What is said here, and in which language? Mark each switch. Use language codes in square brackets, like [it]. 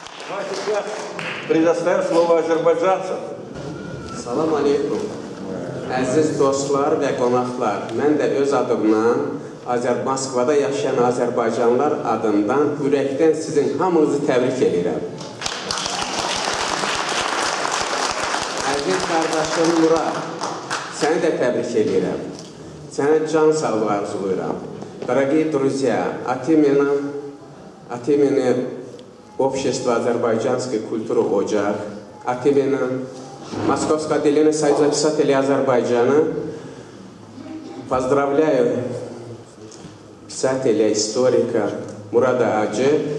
[ru] А сейчас предоставим слово азербайджанцам. Салам алейкум. [az] Aziz dostlar və qonaqlar, mən də öz adımdan Moskvada yaşayan azərbaycanlılar adından ürəkdən sizin hamınızı təbrik edirəm. Aziz qardaşım Murad, səni də təbrik edirəm. Sənə can sağlığı arzulayıram. [ru] Дорогие друзья, от имени общества Азербайджанской культуры Оджак, от имени Московского отделения Союза писателей Азербайджана, поздравляю писателя, историка Мурада Аджи.